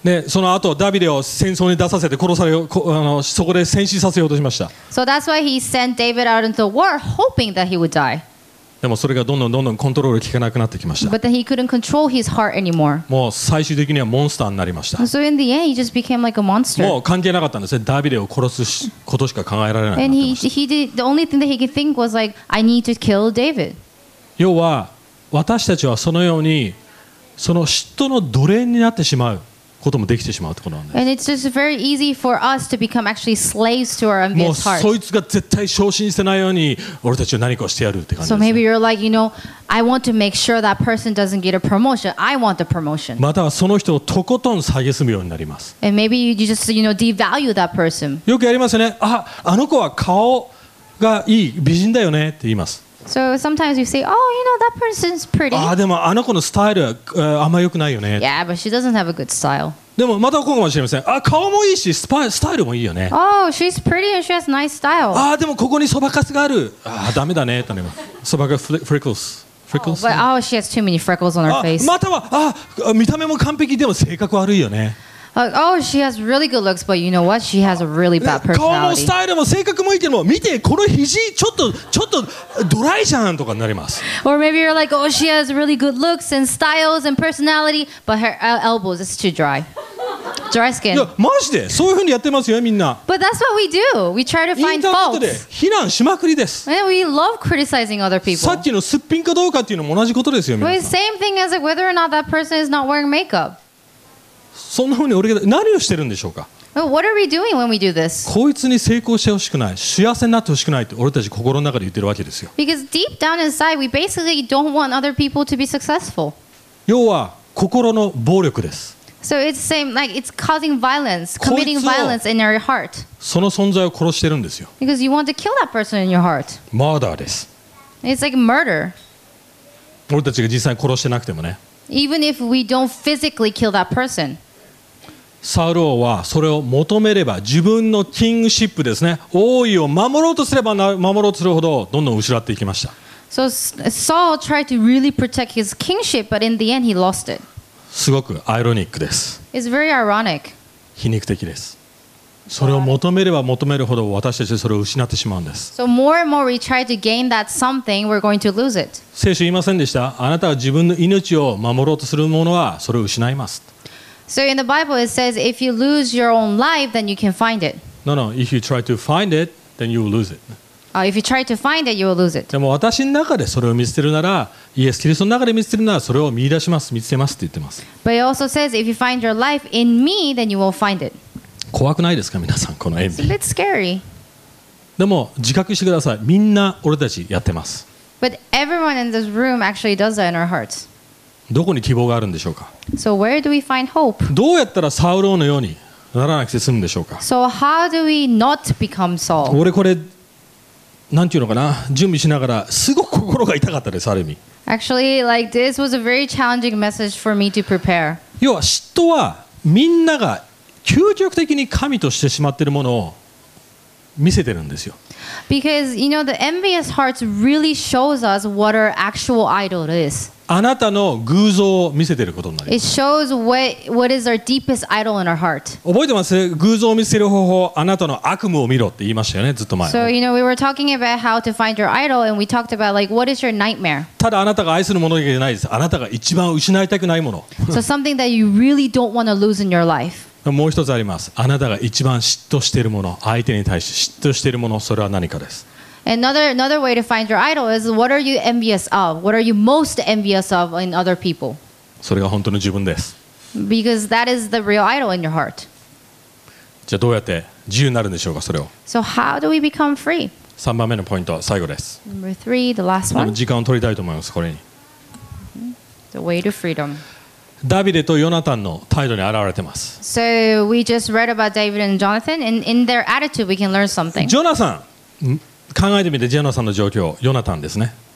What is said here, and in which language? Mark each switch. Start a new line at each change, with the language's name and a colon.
Japanese: ね、その後ダビデを戦争に出させて殺されこそこで戦死させようとしました。
English: So that's why he sent David out into the war, hoping that he would die.
Japanese: でもそれがどんどんどんどんコントロール効かなくなってきました。
English: But then he couldn't control his heart anymore.
Japanese: もう最終的にはモンスターになりました。
English: So in the end, he just became like a monster.
Japanese: もう関係なかったんですね。ダビデを殺すことしか考えられなくなってました。
English: And the only thing that he could think was like, I need to kill David.
Japanese: 要は私たちはそのようにその嫉妬の奴隷になってしまうこともできてしまうってことなんです。
English: And it's just very easy for us to become actually slaves to our envious heart.
Japanese: もうそいつが絶対昇進してないように俺たちは何かをしてやるって感じですね。
English: So maybe you're like, you know, I want to make sure that person doesn't get a promotion. I want the promotion.
Japanese: またはその人をとことん蔑むようになります。
English: And maybe you just, you know, devalue that person.
Japanese: よくやりますよね。あ、あの子は顔がいい美人だよねって言います。
English: So sometimes you say, oh, you know, that person's pretty.
Japanese: ああ、でもあの子のスタイルはあんま良くないよね。
English: Yeah, but she doesn't have a good style.
Japanese: でもまた今後も知りません。あ、顔もいいし、スタイルもいいよね。
English: Oh, she's pretty and she has nice style.
Japanese: ああ、でもここにそばかすがある。ああ、ダメだね。とね、そばかす、freckles。
English: Freckles? Oh, she has too many freckles on her face.
Japanese: または、ああ、見た目も完璧でも性格悪いよね。
English: Oh, she has really good looks, but you know what? She has a really bad personality.
Japanese: 顔もスタイルも性格もいいけども、見てこの肘ちょっとドライじゃんとかになります。
English: Or maybe you're like, oh, she has really good looks and styles and personality, but her elbows is too dry. Dry skin. い
Japanese: や、マジで？そういうふうにやってますよ、みんな。
English: But that's what we do. We try to find faults.
Japanese: インターネットで非難しまくりです。
English: And we love criticizing other people.
Japanese: さっきのすっぴんかどうかっていうのも同じことですよ、みんな。
English: But same thing as whether or not that person is not wearing makeup.
Japanese: そんなふうに俺が何をしてるんでしょうか。
English: What are we doing when we do this?
Japanese: こいつに成功してほしくない、幸せになってほしくないって俺たち心の中で言ってるわけですよ。
English: Because deep down inside, we basically don't want other people to be successful.
Japanese: 要は心の暴力です。
English: So it's same like it's causing violence, committing violence in your heart.
Japanese: その存在を殺してるんですよ。
English: Because you want to kill that person in your heart.
Japanese: マーダーです。
English: It's like murder.
Japanese: 俺たちが実際に殺してなくてもね。
English: Even if we don't physically kill that person.
Japanese: サウル王はそれを求めれば自分のキングシップですね、王位を守ろうとすれば守ろうとするほどどんどん失っていきました。
English: So Saul tried to really protect his kingship, but in the end he lost it.
Japanese: すごくアイロニックです。
English: It's very ironic.
Japanese: 皮肉的です。それを求めれば求めるほど私たちそれを失ってしまうんです。
English: So more and more we try to gain that something, we're going to lose it.
Japanese: 聖書言いませんでした？あなたは自分の命を守ろうとするものはそれを失います。
English: So in the Bible it says if you lose your own life then you can find it. No, no. If you try to find it, then you will lose it. If you try to find it, you will lose it.
Japanese: でも私の中でそれを見捨てるなら、イエス・キリストの中で見捨てるならそれを見出します、見つけますって言ってます。
English: But it also says if you find your life in me, then you will find it.
Japanese: 怖くないですか皆さんこの
English: It's a bit scary.
Japanese: でも自覚してください。みんな俺たちやってます。
English: But everyone in this room actually does that in our hearts.
Japanese: どこに希望があるんでしょうか。
English: So where do we find hope?
Japanese: どうやったらサウル王のようにならなくて済むんでしょうか。
English: So how do we not become Saul?
Japanese: 俺これなんていうのかな、準備しながらすごく心が痛かったです、ある意味。
English: Actually, like, this was a very challenging message for me to prepare.
Japanese: 要は嫉妬はみんなが究極的に神としてしまっているものを見せてるんですよ。
English: Because, you know, the envious hearts really shows us what our actual idol is.
Japanese: あなたの偶像を見せていることになります。
English: It shows what is our deepest idol in our heart.
Japanese: 覚えてます？偶像を見せる方法、あなたの悪夢を見ろって言いましたよね、ずっと前。
English: So you know we were talking about how to find your idol, and we talked about like what is your nightmare.
Japanese: ただあなたが愛するものじゃないです。あなたが一番失いたくないもの。
English: So something that you really don't want to lose in your life.
Japanese: もう一つあります。あなたが一番嫉妬しているもの、相手に対して嫉妬しているもの、それは何かです。
English: Another way to find your idol is what are you envious of? What are you most envious of in other people?
Japanese: それが本当の自分です。
English: Because that is the real idol in your heart.
Japanese: じゃあどうやって自由になるんでしょうか、それを。
English: So how do we become free?
Japanese: 3番目のポイント、最後です。
English: Number three, the last one.
Japanese: 時間を取りたいと思います、これに。
English: The way to freedom.
Japanese: ダビデとヨナタンの態度に現れてます。
English: So we just read about David and Jonathan, and in their attitude we can learn something.
Japanese: ジョナサン。考えてみて、ジェノさんの状況、ヨナタンですね。